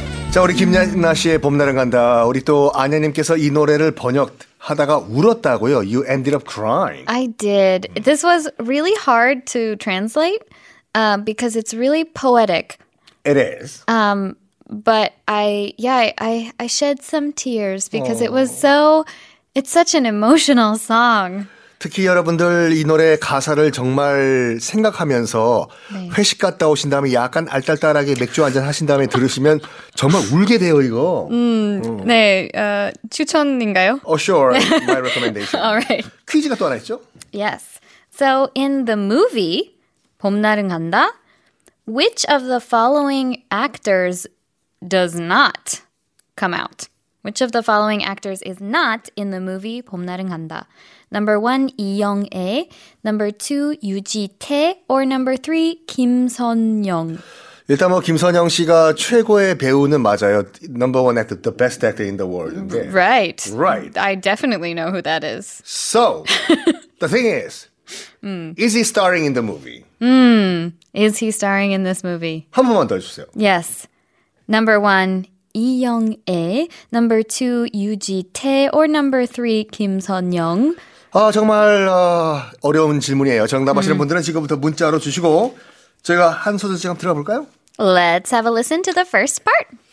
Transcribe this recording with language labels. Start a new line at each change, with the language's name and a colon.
Korean: 자, 우리 김나 씨의 봄날은 간다. 우리 또 아냐님께서 이 노래를 번역하다가 울었다고요.
English: You ended up crying. I did. This was really hard to translate because it's really poetic. It is. But I shed some tears because it was so, it's such an emotional song.
Korean: 특히 여러분들 이 노래 가사를 정말 생각하면서 회식 갔다 오신 다음에 약간 알딸딸하게 맥주 한잔 하신 다음에 들으시면 정말 울게 돼요, 이거. 네, 추천인가요?
English: Oh, sure. My recommendation. All right.
Korean: 퀴즈가 또 하나 있죠?
English: Yes. So in the movie, 봄날은 간다, which of the following actors does not come out? Which of the following actors is not in the movie 봄날은 간다? Number one, 이영애. Number two, 유지태. Or number three, 김선영.
Korean: 일단 뭐 김선영 씨가 최고의 배우는 맞아요.
English: Number one actor, the best actor in the world. Yeah. Right. Right. I definitely know who that is. So, the thing is, is he starring in the movie? Is he starring in this movie?
Korean: 한 번만 더 해주세요.
English: Yes. Number one, 이영애, number two, 유지태, or number three, 김선영.
Korean: 아, 정말 어려운 질문이에요. 정답하시는 분들은 지금부터 문자로 주시고 제가 한 소절씩 한번 들어볼까요?
English: Let's have a listen to the first part.